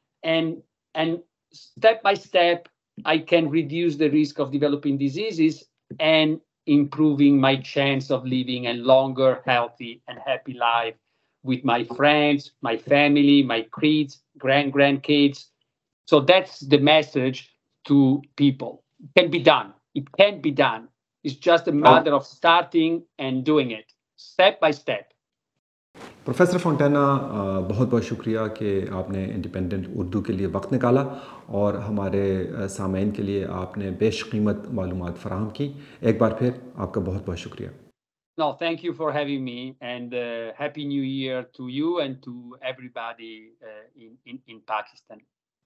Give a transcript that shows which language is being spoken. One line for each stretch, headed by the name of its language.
English: And step by step, I can reduce the risk of developing diseases and improving my chance of living a longer, healthy, and happy life with my friends, my family, my kids, grandkids. So that's the message to people. It can be done. It can be done. It's just a matter of starting and doing it, step by step.
Urdu: Professor فونٹینا, بہت بہت شکریہ کہ آپ نے independent Urdu کے لیے وقت نکالا اور ہمارے سامعین کے لیے آپ نے بیش قیمت معلومات فراہم کی. ایک بار پھر آپ کا بہت بہت شکریہ.
English: No, thank you for having me, and happy new year to you and to everybody in Pakistan.